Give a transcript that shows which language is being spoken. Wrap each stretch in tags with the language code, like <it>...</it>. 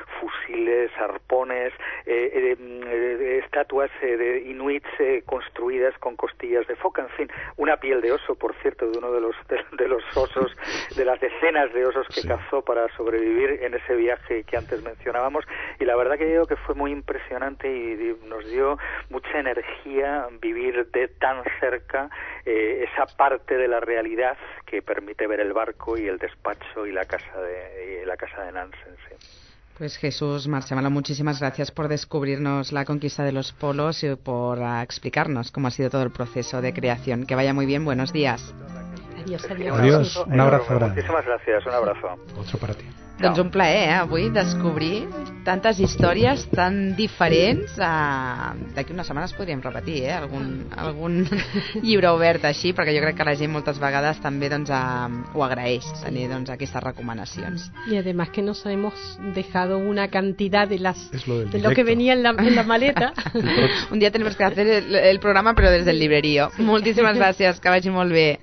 <es>fusiles, arpones, estatuas de inuits construidas con costillas de foca, en fin, una piel de oso, por cierto, de uno de los osos, de las decenas de osos que cazó para sobrevivir en ese viaje que antes mencionábamos, y la verdad que digo que fue muy impresionante y nos dio mucha energía vivir de tan cerca esa parte de la realidad que permite ver el barco y el despacho y la casa de Nansen. Sí. Pues Jesús Marchamalo, muchísimas gracias por descubrirnos la conquista de los polos y por explicarnos cómo ha sido todo el proceso de creación. Que vaya muy bien, buenos días. Adiós, un abrazo grande. Muchísimas gracias, un abrazo. Otro para ti.</es> <ca>Doncs un plaer, avui, descobrir tantes històries tan diferents. D'aquí unes setmanes podríem repetir algun llibre obert així, perquè jo crec que la gent moltes vegades també ho agraeix, tenir aquestes recomanacions. I a més que</ca> <es>nos hemos dejado una cantidad de lo que venía en la maleta.</es> <ca>Un dia</ca> <es>tenemos que hacer el programa,</es> <ca>però des del librerío. Moltíssimes gràcies, que vagi molt bé.</ca>